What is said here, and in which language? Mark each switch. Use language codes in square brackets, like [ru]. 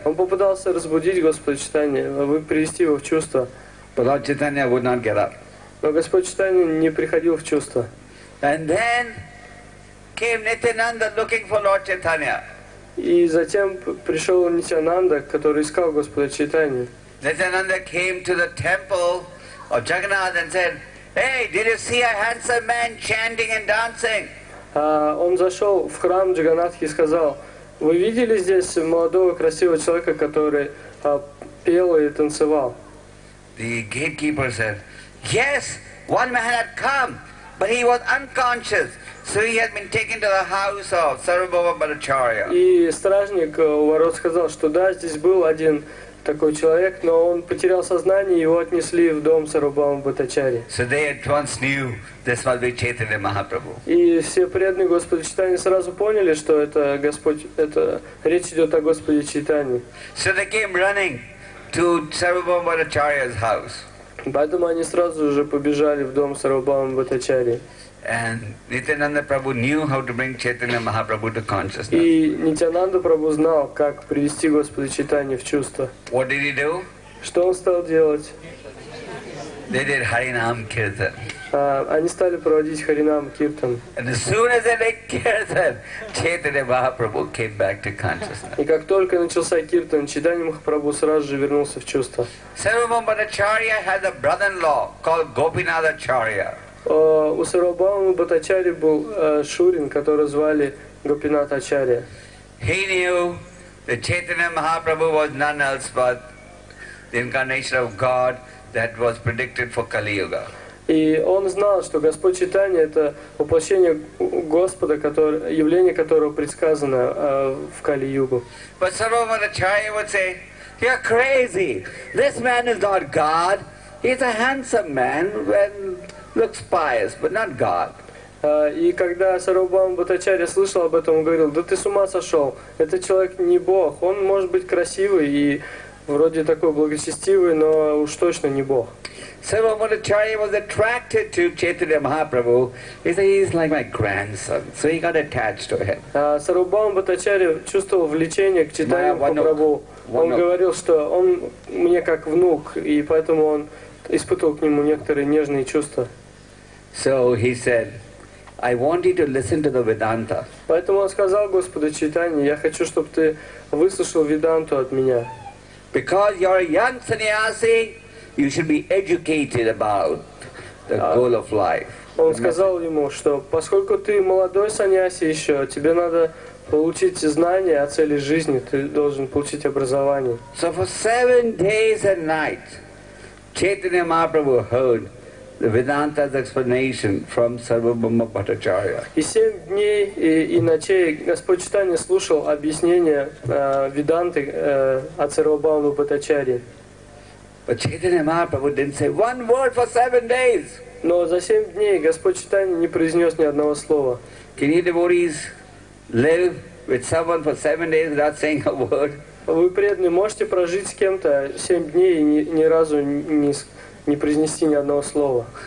[ru] Он попытался разбудить Господа Читания, привести его в чувство. [en] But Lord Chaitanya would not get up. [ru] Но Господь Читания не приходил в чувство. [en] And then came Nityananda looking for Lord Chaitanya. [ru] И затем пришел Нитянанда, который искал Господа Чайтанью. [en] Nityananda came to the temple of Jagannath and said, "Hey, did you see a handsome man chanting and dancing?" [ru] Он зашел в храм Джаганатхи и сказал, "Вы видели здесь молодого красивого человека, который пел и танцевал?" [en] The gatekeeper said, "Yes, one man had come, but he was unconscious. So he had been taken to the house of Sarvabhauma Bhattacharya." [ru] И стражник у ворот сказал, что да, здесь был один такой человек, но он потерял сознание, его отнесли в дом Сарвабхаума Бхаттачарьи. [en] So they at once knew this must be Chaitanya Mahaprabhu. [ru] И все преданные Господа Читания сразу поняли, что это Господь, это речь идет о Господе Читании. [en] So they came running to Sarvabhauma Bhattacharya's house. [ru] Поэтому они сразу же побежали в дом Сарвабхаума Бхаттачарьи. [en] And Nityananda Prabhu knew how to bring Chaitanya Mahaprabhu to consciousness. [ru] И Нитянанда Прабху знал, как привести Господа Чайтанью в чувство. [en] What did he do? [ru] Что он стал делать? [en] They did Харинам Киртан. [ru] Они стали проводить Харинам Киртан. [en] And as soon as they did Киртан, Chaitanya Mahaprabhu came back to consciousness. [ru] И как только начался Киртан, Чайтанья Махапрабху сразу же вернулся в чувство. [en] Sarvabhauma Bhattacharya has a brother-in-law called Gopinatha Acharya. [ru] У Сарвабхаумы Бхаттачарьи был шурин, которого звали Гопинатха Ачарья. [en] He knew that Chaitanya Mahaprabhu was none else but the incarnation of God that was predicted for Kali Yuga. [ru] И он знал, что Господь Чайтанья — это воплощение Господа, явление которого предсказано в Кали Югу. [en] But Sarvabhauma Bhattacharya would say, "You're crazy. This man is not God. He's a handsome man and looks pious, but not God." [ru] И когда Сарвабхаума Бхаттачарья слышал об этом, он говорил: «Да ты с ума сошел! Этот человек не Бог. Он может быть красивый и вроде такой благочестивый, но уж точно не Бог». [en] Сарвабхаума Бхаттачарья was attracted to Chaitanya Mahaprabhu. He said, "He's like my grandson." So he got attached to him. [ru] Сарвабхаума Бхаттачарья чувствовал влечение к Чайтанья Махапрабху. Он говорил, что он мне как внук, и поэтому он испытывал к нему некоторые нежные чувства. [en] So he said, "I want you to listen to the Vedanta." [ru] Поэтому он сказал Господу Чайтанья: "Я хочу, чтобы ты выслушал Веданту от меня." [en] Because you're a young sannyasi, you should be educated about the goal of life. [ru] Он сказал ему, что поскольку ты молодой саньяси еще, тебе надо получить знания о цели жизни, ты должен получить образование. [en] So for 7 days and nights, Chaitanya Mahaprabhu heard the Vedanta's explanation from Sarvabhauma Bhattacharya. [ru] И 7 дней и ночей Господь Чайтанья слушал объяснение Веданты от Сарвабхаумы Бхаттачарьи. [en] But Chaitanya Mahaprabhu didn't say one word for 7 days. [ru] Но за 7 дней Господь Чайтанья не произнес ни одного слова. [en] Can you devotees live with someone for 7 days without saying a word? [ru] Вы преданные можете прожить с кем-то 7 дней и ни разу не произнести ни одного слова?